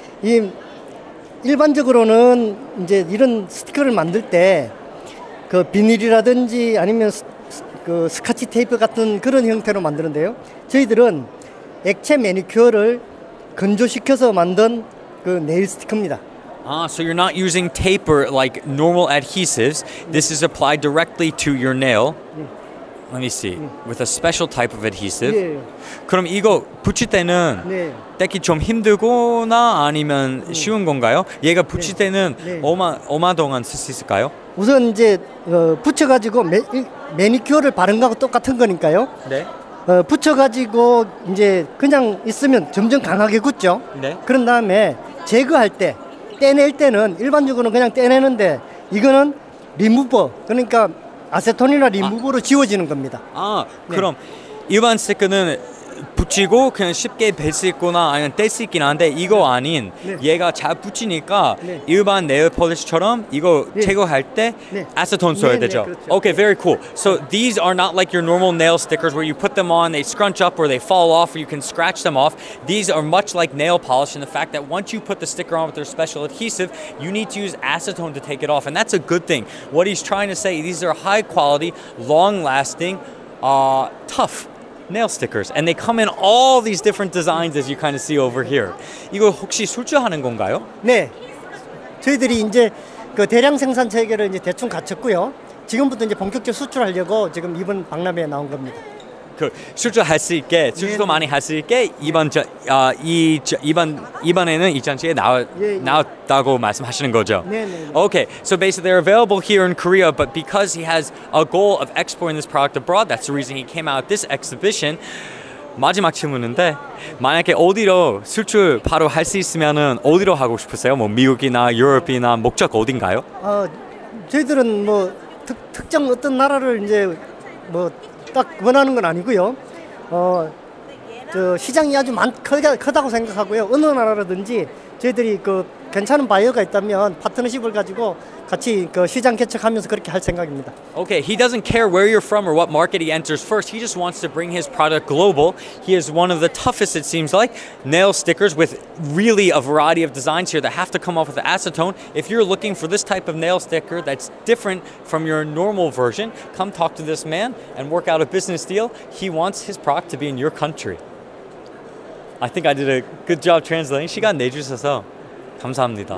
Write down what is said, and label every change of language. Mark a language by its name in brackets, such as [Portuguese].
[Korean] 이 일반적으로는 이제 이런 스티커를 만들 때 그 비닐이라든지 아니면 그 스카치 테이프 같은 그런 형태로 만드는데요. 저희들은 액체 매니큐어를 건조시켜서 만든 그 네일 스티커입니다. [English] So you're not using tape or like normal adhesives. This is applied directly to your nail. Let me see. With a special type of adhesive. [Korean] 그럼 이거 붙일 때는 떼기 좀 힘들거나 아니면 쉬운 건가요? 얘가 붙일 때는 얼마 동안 쓸 수 있을까요? 우선 이제 붙여가지고 매니큐어를 바른 거하고 똑같은 거니까요. 네. 붙여가지고 이제 그냥 있으면 점점 강하게 굳죠. 네. 그런 다음에 제거할 때 떼낼 때는 일반적으로 그냥 떼내는데 이거는 리무버 그러니까 아세톤이나 리무버로 지워지는 겁니다. 아 그럼 네. 일반 스티커는 붙이고 그냥 쉽게 뺄 수 있거나 아니면 뗄 수 있긴 한데 이거 아닌 얘가 잘 붙이니까 일반 네일 폴리시처럼 이거 제거할 때 아세톤 써야 되죠. 그렇죠. [English] Okay, very cool. So these are not like your normal nail stickers where you put them on, they scrunch up or they fall off or you can scratch them off. These are much like nail polish in the fact that once you put the sticker on with their special adhesive, you need to use acetone to take it off and that's a good thing. What he's trying to say, these are high quality, long lasting, tough. Nail stickers, and they come in all these different designs, as you kind of see over here. [Korean] 이거 혹시 수주하는 건가요? 네, 저희들이 이제 그 대량 생산 체계를 이제 대충 갖췄고요. 지금부터 이제 본격적 수출하려고 지금 이번 박람회에 나온 겁니다. 그 수주할 수 있게 수주도 많이 할 수 있게 이번 저 아 이 이번에는 이 전시에 나왔다고 말씀하시는 거죠. 네, 네, 네. [English] Okay, so basically they're available here in Korea, but because he has a goal of exporting this product abroad, that's the reason he came out this exhibition. [Korean] 마지막 질문인데 만약에 어디로 수출 바로 할 수 있으면은 어디로 하고 싶으세요? 뭐 미국이나 유럽이나 목적 어딘가요? 저희들은 뭐 특정 어떤 나라를 이제 뭐 딱 원하는 건 아니고요. 시장이 아주 크다고 생각하고요. 어느 나라라든지 저희들이 그 괜찮은 바이어가 있다면 파트너십을 가지고 같이 그 시장 개척하면서 그렇게 할 생각입니다. [English] Okay, he doesn't care where you're from or what market he enters first. He just wants to bring his product global. He is one of the toughest, it seems like, nail stickers with really a variety of designs here that have to come off with acetone. If you're looking for this type of nail sticker that's different from your normal version, come talk to this man and work out a business deal. He wants his product to be in your country. I think I did a good job translating. [Korean] 시간 내주셔서 감사합니다.